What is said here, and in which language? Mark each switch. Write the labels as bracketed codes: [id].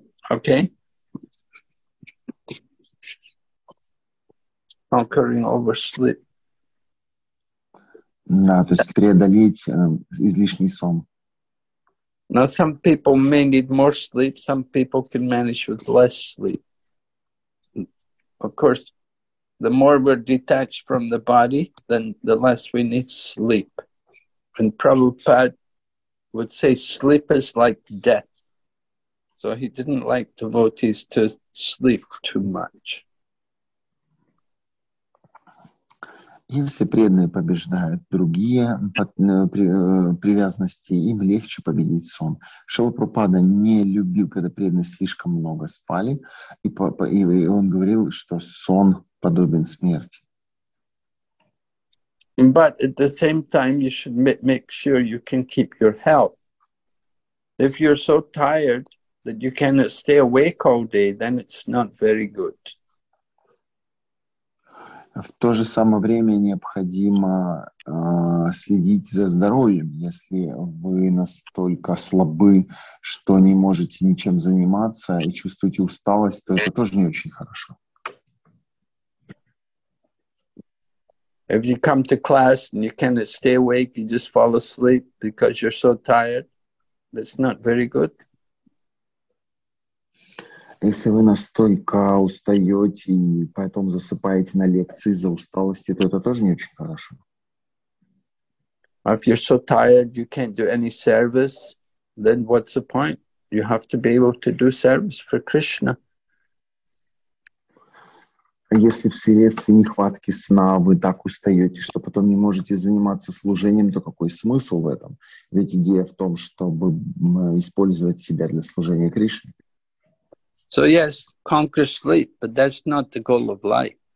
[en] Okay. Conquering over sleep. [ru] Да, то есть преодолеть излишний сон. [en] Now some people may need more sleep, some people can manage with less sleep. Of course, the more we're detached from the body, then the less we need sleep. And Prabhupada would say sleep is like death. So he didn't like devotees to sleep too much. [ru] Если преданные побеждают другие привязанности, им легче победить сон. Шрила Прабхупада не любил, когда преданные слишком много спали, и он говорил, что сон подобен смерти. [en] But at the same time, you should make sure you can keep your health. If you're so tired that you cannot stay awake all day, then it's not very good. [ru] В то же самое время необходимо следить за здоровьем. Если вы настолько слабы, что не можете ничем заниматься и чувствуете усталость, то это тоже не очень хорошо. [en] If you come to class and you cannot stay awake, you just fall asleep because you're so tired, that's not very good. [ru] Если вы настолько устаете и потом засыпаете на лекции из-за усталости, то это тоже не очень хорошо. [en] If you're so tired, you can't do any service, then what's the point? You have to be able to do service for Krishna. [ru] Если вследствие нехватки сна вы так устаете, что потом не можете заниматься служением, то какой смысл в этом? Ведь идея в том, чтобы использовать себя для служения Кришне. [en] So yes, conquer sleep, but that's not the goal of life.